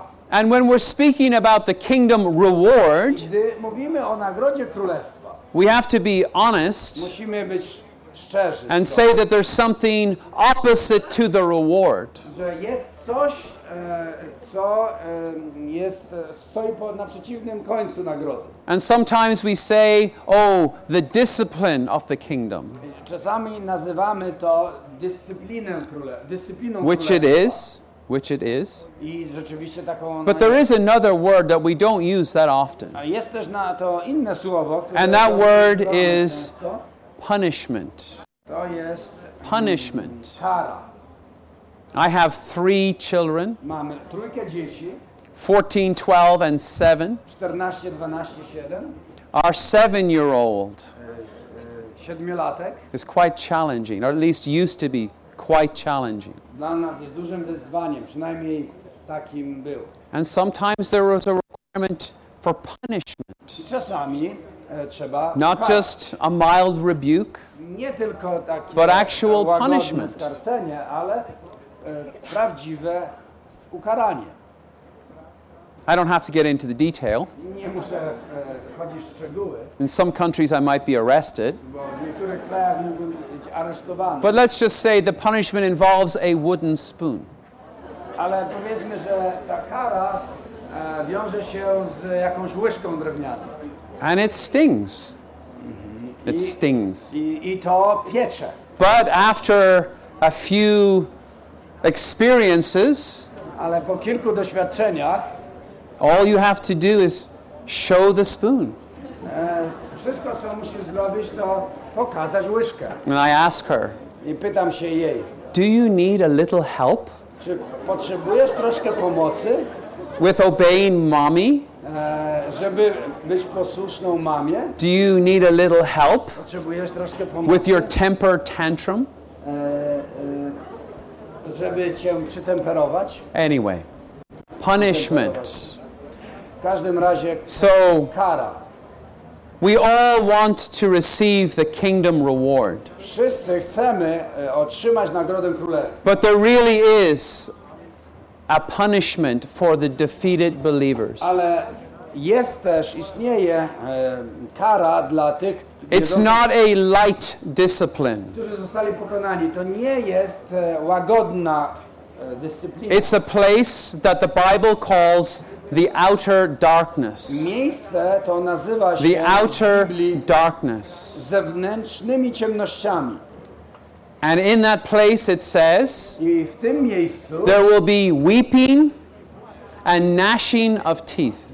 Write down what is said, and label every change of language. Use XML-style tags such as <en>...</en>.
<en>And when we're speaking about the kingdom reward,</en> <pl>gdy mówimy o nagrodzie królestwa,</pl> <en>we have to be honest</en> <pl>musimy być szczerzy</pl> <en>and say that there's something opposite to the reward.</en> <pl>Że jest coś, co jest, stoi na przeciwnym końcu nagrody.</pl> <en>And sometimes we say, oh, the discipline of the kingdom.</en> <pl>Czasami nazywamy to dyscypliną</pl> <en>which</en> <pl>królestwa.</pl> <en>It is. Which it is.</en> <pl>I rzeczywiście taką ona</pl> <en>But there is another word that we don't use that often.</en> <pl>A jest też na to inne słowo, które</pl> <en>And that word is punishment.</en> <pl>To jest</pl> <en>punishment.</en> <pl>Kara.</pl> <en>I have 3 children.</en> <pl>Mam trójkę dzieci.</pl> <en>14, 12 and 7.</en> <pl>14, 12, 7.</pl> <en>Our 7-year-old.</en> <pl>Siedmiolatek.</pl> <en>Is quite challenging, or at least used to be. Quite challenging.</en> <pl>Dla nas jest dużym wyzwaniem, przynajmniej takim był.</pl> <en>And sometimes there was a requirement for punishment.</en> <pl>Czasami trzeba</pl> <en>not</en> <pl>karać.</pl> <en>Just a mild rebuke,</en> <pl>nie tylko taki</pl> <en>but actual punishment.</en> <pl>Skarcenie, ale prawdziwe ukaranie.</pl> <en>I don't have to get into the detail.</en> <pl>Nie muszę wchodzić w szczegóły.</pl> <en>In some countries I might be arrested.</en> <pl>Bo w niektórych krajach mógłbym być aresztowany.</pl> <en>But let's just say the punishment involves a wooden spoon.</en> <pl>Ale powiedzmy, że ta kara wiąże się z jakąś łyżką drewnianą.</pl> <en>And it stings. Mm-hmm. It stings.</en> <pl>I to piecze.</pl> <en>But after a few experiences,</en> <pl>ale po kilku doświadczeniach,</pl> <en>all you have to do is show the spoon.</en> <pl>Wszystko, co musisz zrobić, to pokazać łyżkę.</pl> <en>And I ask her,</en> <pl>i pytam się jej,</pl> <en>do you need a little help?</en> <pl>Czy potrzebujesz troszkę pomocy?</pl> <en>With obeying mommy?</en> <pl>Żeby być posłuszną mamie?</pl> <en>Do you need a little help?</en> <pl>Potrzebujesz troszkę pomocy?</pl> <en>With your temper tantrum?</en> <pl>Żeby cię przytemperować?</pl> <en>Anyway. Punishment.</en> <pl>W każdym razie kara.</pl> <en>We all want to receive the kingdom reward.</en> <pl>Wszyscy chcemy otrzymać nagrodę królestwa.</pl> <en>But there really is a punishment for the defeated believers.</en> <pl>Ale jest też, istnieje kara dla tych,</pl> <en>it's not a light discipline.</en> <pl>Którzy zostali pokonani. To nie jest łagodna.</pl> <en>It's a place that the Bible calls the outer darkness.</en> <pl>Miejsce to nazywa się</pl> <en>the outer darkness.</en> <pl>Zewnętrznymi ciemnościami.</pl> <en>And in that place it says</en> <pl>i w tym miejscu,</pl> <en>there will be weeping and gnashing of teeth.</en>